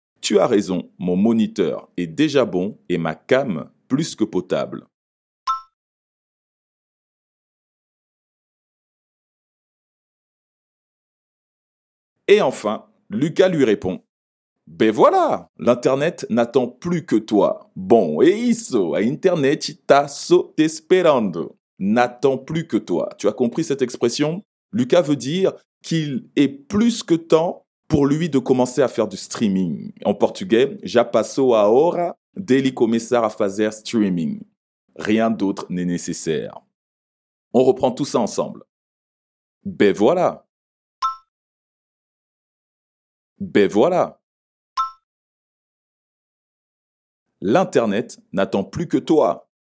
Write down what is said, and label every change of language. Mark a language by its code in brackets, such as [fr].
[fr] Tu as raison, mon moniteur est déjà bon et ma cam plus que potable. Et enfin, Lucas lui répond. Ben voilà, l'Internet n'attend plus que toi. [pt] Bon, e isso, a Internet está só te esperando. [fr] N'attend plus que toi. Tu as compris cette expression? Lucas veut dire qu'il est plus que temps pour lui de commencer à faire du streaming. En portugais, [pt] já passou a hora dele começar a fazer streaming. [fr] Rien d'autre n'est nécessaire. On reprend tout ça ensemble. Ben voilà. Ben voilà. L'Internet n'attend plus que toi.